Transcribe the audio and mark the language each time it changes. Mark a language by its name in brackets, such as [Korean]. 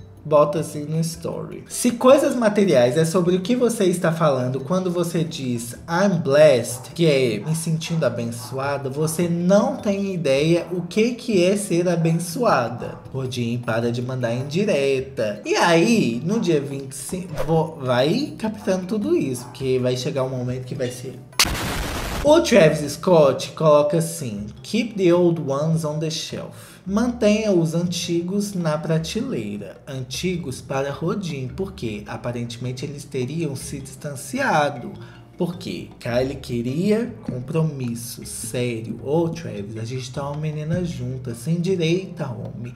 [Portuguese] Bota assim no story. Se coisas materiais é sobre o que você está falando quando você diz [English] I'm blessed, [Portuguese] que é me sentindo abençoada, você não tem ideia o que é ser abençoada. O Jim para de mandar indireta. E aí, no dia 25, vai captando tudo isso, porque vai chegar um momento que vai ser... O Travis Scott coloca assim, [English] keep the old ones on the shelf. [Portuguese] Mantenha os antigos na prateleira. Antigos para Rodin, porque aparentemente eles teriam se distanciado. Porque Kylie queria compromisso, sério. Ô, Travis, a gente tá uma menina junta, sem direita, homem.